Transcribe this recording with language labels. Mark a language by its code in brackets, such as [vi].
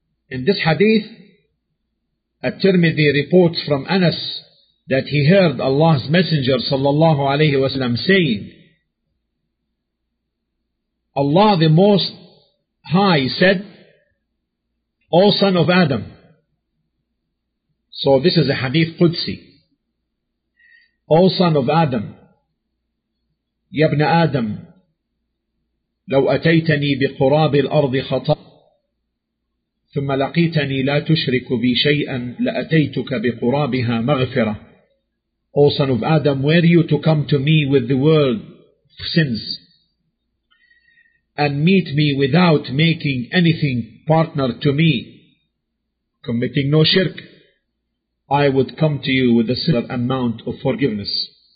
[en] In this hadith, At-Tirmidhi reports from Anas that he heard Allah's Messenger sallallahu alayhi wa sallam saying, Allah the Most High said, O son of Adam. So this is a hadith Qudsi. O son of Adam, [ar] Yabna Adam, لو أتيتني بقراب الأرض خطأ ثم لقيتني لا تشرك بي شيئا لأتيتك بقرابها مغفرة. [en] O son of Adam, were you to come to me with the world of sins and meet me without making anything partner to me, committing no shirk, I would come to you with a similar amount of forgiveness.